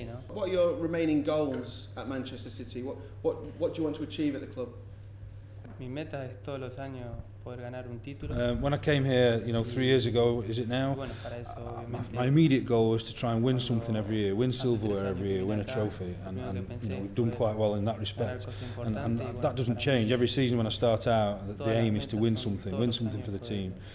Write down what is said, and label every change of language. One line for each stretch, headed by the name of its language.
English: What are your remaining goals at Manchester City? What do you want to achieve at the club?
Spanish: Mi meta es todos los años poder ganar un título.
English: When I came here, you know, 3 years ago, is it now?
Spanish: Bueno, para eso,
English: my immediate goal was to try and win something every year, win silverware every year, win a trophy, and you know, we've done quite well in that respect. And that doesn't change. Every season when I start out, the aim is to win something for the team.